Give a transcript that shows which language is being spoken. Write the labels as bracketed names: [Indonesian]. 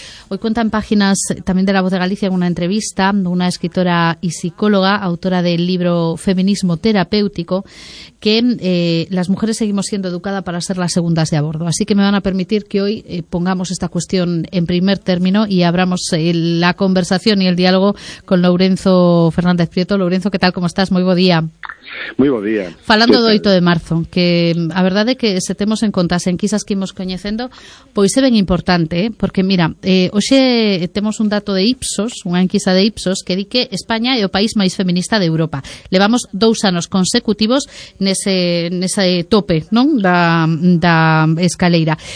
[Spanish] Hoy cuenta en páginas también de La Voz de Galicia en una entrevista una escritora y psicóloga, autora del libro Feminismo Terapéutico, que las mujeres seguimos siendo educadas para ser las segundas de a bordo. Así que me van a permitir que hoy pongamos esta cuestión en primer término y abramos la conversación y el diálogo con Lourenzo Fernández Prieto. Lourenzo, ¿qué tal? ¿Cómo estás? Muy buen día. Muy buen día. [Galician] Falando do 8 de marzo, que a verdade que se temos en conta as enquisas que imos coñecendo, pois é ben importante, porque mira, hoxe temos un dato de Ipsos, unha enquisa de Ipsos, que di que España é o país máis feminista de Europa. Levamos 2 anos consecutivos nese tope, non, da escaleira.